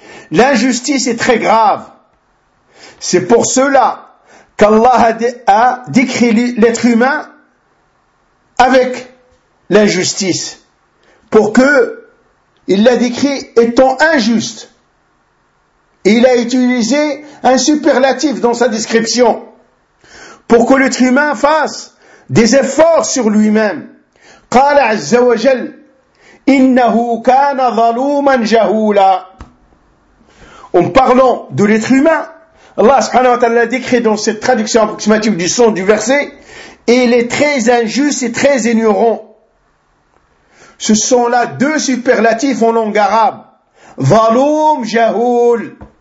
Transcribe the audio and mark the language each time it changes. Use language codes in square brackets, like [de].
[fr] L'injustice est très grave. C'est pour cela qu'Allah a décrit l'être humain avec l'injustice. Pour que il l'a décrit étant injuste. Et il a utilisé un superlatif dans sa description. Pour que l'être humain fasse des efforts sur lui-même. [ar] قال عز وجل إنه كان ظلوما جهولا. [fr] En parlant de l'être humain, Allah subhanahu wa ta'ala décrit dans cette traduction approximative du son du verset, et il est très injuste et très ignorant. Ce sont là deux superlatifs en langue arabe. Zaloum jahoul.